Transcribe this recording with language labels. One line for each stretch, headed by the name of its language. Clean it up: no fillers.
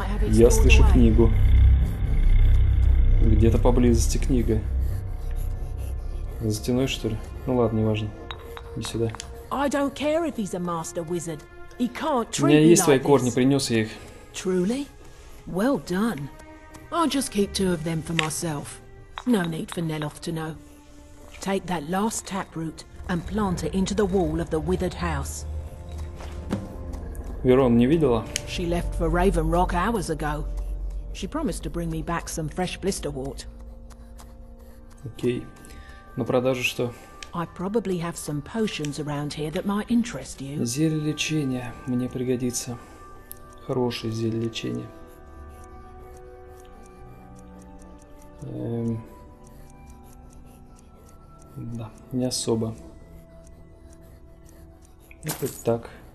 Russian: Я слышу книгу. Где-то поблизости книга. За стеной, что ли? Ну ладно, неважно. Иди сюда.
English: I don't care if he's a master wizard. He can't treat me like this.
Russian: У меня есть свои корни, принес я их.
English: Truly? Well done. I'll just keep two of them for myself. No need for Neloth to know. Take that last taproot and plant it into the wall of the withered house.
Russian: Верон не видела.
English: She left for Raven Rock hours ago. She promised to bring me back some fresh blisterwort.
Russian: Окей. На продажу что?
English: I probably have some potions around here that might interest you.
Russian: Зелье лечения мне пригодится. Хорошее зелье лечения. Да, не особо. Это так.